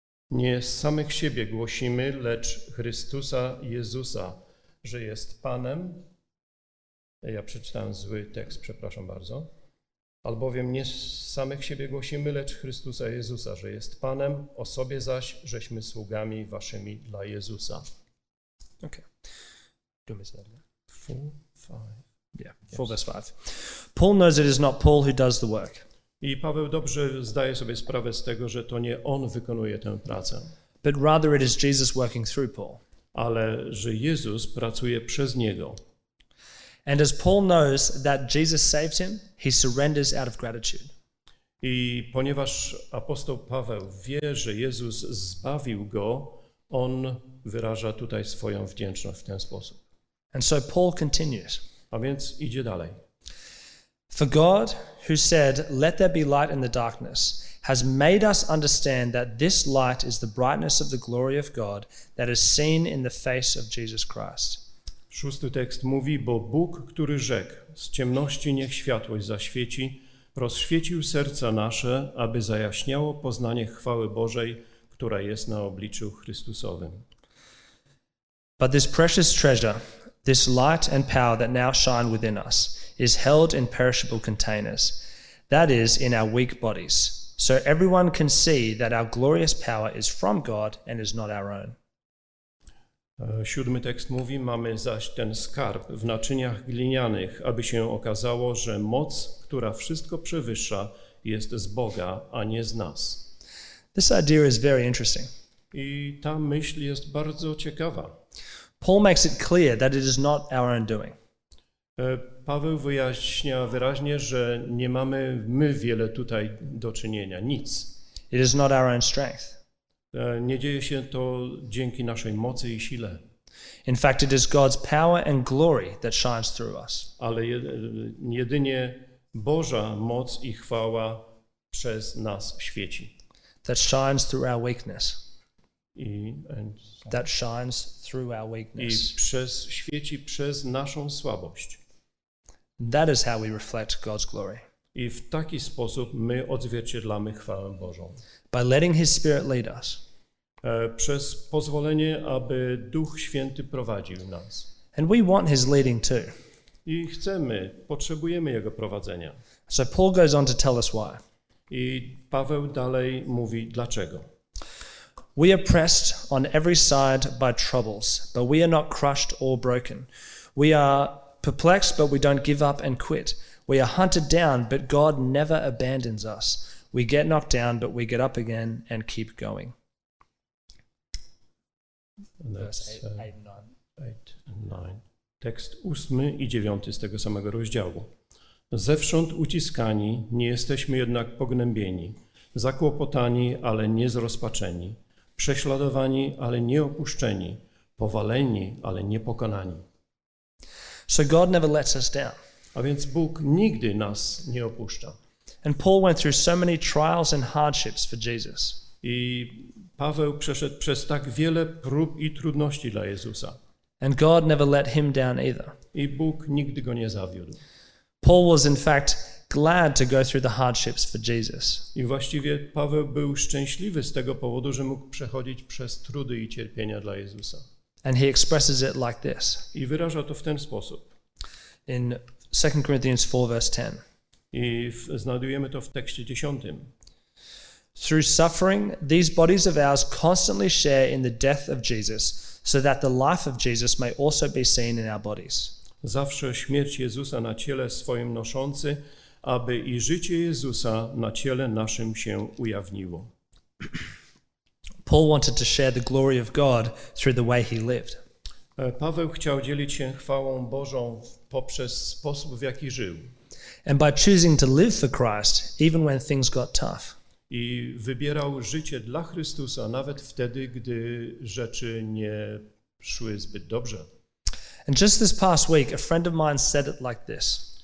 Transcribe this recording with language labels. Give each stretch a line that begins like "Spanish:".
Polish: Nie z samych siebie głosimy, lecz Chrystusa Jezusa, że jest Panem. Ja przeczytałem zły tekst, przepraszam bardzo. Albowiem nie z samych siebie głosimy, lecz Chrystusa Jezusa, że jest Panem, o sobie zaś, żeśmy sługami waszymi dla Jezusa.
English: Okay. Do me that. Four, five. Yeah, yes. Four verse five. Paul knows it is not Paul who does the work.
Polish: I Paweł dobrze zdaje sobie sprawę z tego, że to nie on wykonuje tę pracę.
English: But rather it is Jesus working through Paul.
Polish: Ale że Jezus pracuje przez niego.
English: And as Paul knows that Jesus saved him, he surrenders out of gratitude.
Polish: I ponieważ apostoł Paweł wie, że Jezus zbawił go, on wyraża tutaj swoją wdzięczność w ten sposób.
English: And so Paul continues.
Polish: A więc idzie dalej.
English: For God, who said, "Let there be light in the darkness," has made us understand that this light is the brightness of the glory of God that is seen in the face of Jesus Christ.
Polish: Szósty tekst mówi, bo Bóg, który rzekł, z ciemności niech światłość zaświeci, rozświecił serca nasze, aby zajaśniało poznanie chwały Bożej, która jest na obliczu Chrystusowym.
English: But this precious treasure, this light and power that now shine within us, is held in perishable containers, that is, in our weak bodies, so everyone can see that our glorious power is from God and is not our own.
Polish: Siódmy tekst mówi, mamy zaś ten skarb w naczyniach glinianych, aby się okazało, że moc, która wszystko przewyższa, jest z Boga, a nie z nas.
English: This idea is very interesting.
Polish: I ta myśl jest bardzo ciekawa.
English: Paul makes it clear that it is not our own doing.
Polish: Paweł wyjaśnia wyraźnie, że nie mamy my wiele tutaj do czynienia, nic.
English: It is not our own strength.
Polish: Nie dzieje się to dzięki naszej mocy i sile.
English: In fact, it is God's power and glory that shines through us.
Polish: Ale jedynie Boża moc i chwała przez nas świeci.
English: That shines through our weakness. And that shines through our weakness.
Polish: I przez świeci przez naszą słabość.
English: That is how we reflect God's glory.
Polish: I w taki sposób my odzwierciedlamy chwałę Bożą.
English: By letting His Spirit lead us.
Polish: Przez pozwolenie, aby Duch Święty prowadził nas.
English: And we want His leading too.
Polish: I chcemy, potrzebujemy Jego prowadzenia.
English: So Paul goes on to tell us why.
Polish: I Paweł dalej mówi dlaczego.
English: We are pressed on every side by troubles, but we are not crushed or broken. We are perplexed, but we don't give up and quit. We are hunted down, but God never abandons us. We get knocked down, but we get up again and keep going. Verse 8 and 9.
Polish: Tekst 8 i 9 z tego samego rozdziału. Zewsząd uciskani, nie jesteśmy jednak pognębieni. Zakłopotani, ale nie zrozpaczeni. Prześladowani, ale nie opuszczeni. Powaleni, ale nie pokonani.
English: So God never lets us down.
Polish: A więc Bóg nigdy nas nie opuszcza.
English: And Paul went through so many trials and hardships for Jesus.
Polish: I Paweł przeszedł przez tak wiele prób i trudności dla Jezusa.
English: And God never let him down either.
Polish: I Bóg nigdy go nie zawiódł.
English: Paul was in fact glad to go through the hardships for Jesus.
Polish: I właściwie Paweł był szczęśliwy z tego powodu, że mógł przechodzić przez trudy i cierpienia dla Jezusa.
English: And he expresses it like this.
Polish: I wyraża to w ten sposób.
English: In 2 Corinthians 4 verse 10.
Polish: I znajdujemy to w tekście 10.
English: Through suffering, these bodies of ours constantly share in the death of Jesus, so that the life of Jesus may also be seen in our bodies.
Polish: Zawsze śmierć Jezusa na ciele swoim noszący, aby i życie Jezusa na ciele naszym się ujawniło.
English: Paul wanted to share the glory of God through the way he lived.
Polish: Paweł chciał dzielić się chwałą Bożą poprzez sposób, w jaki żył.
English: And by choosing to live for Christ, even when things got tough.
Polish: I wybierał życie dla Chrystusa nawet wtedy, gdy rzeczy nie szły zbyt dobrze.
English: And just this past week, a friend of mine said it like this.